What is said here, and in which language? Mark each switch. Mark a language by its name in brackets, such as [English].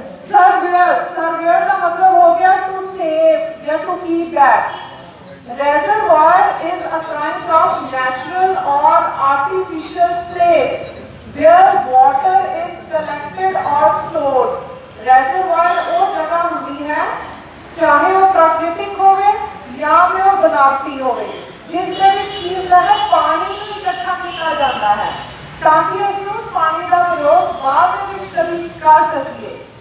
[Punjabi] Surveyor, surveyor ਦਾ ਮਤਲਬ ਹੋ ਗਿਆ [English] to save [Punjabi] ਜਾਂ [English] To keep back. Reservoir is a kind of natural or artificial place where water is collected or stored. [Punjabi] Reservoir ਉਹ ਜਗ੍ਹਾ ਹੁੰਦੀ ਹੈ, ਚਾਹੇ ਉਹ ਪ੍ਰਾਕ੍ਰਿਤਿਕ ਹੋਵੇ ਜਾਂ ਫਿਰ ਉਹ ਬਨਾਵਟੀ ਹੋਵੇ, ਜਿਸ ਦੇ ਵਿੱਚ ਕੀ ਹੁੰਦਾ ਹੈ ਪਾਣੀ ਨੂੰ ਇਕੱਠਾ ਕੀਤਾ ਜਾਂਦਾ ਹੈ ਤਾਂ ਕਿ ਅਸੀਂ ਉਸ ਪਾਣੀ ਦਾ ਪ੍ਰਯੋਗ ਬਾਅਦ ਦੇ ਵਿੱਚ ਕਰ ਸਕੀਏ.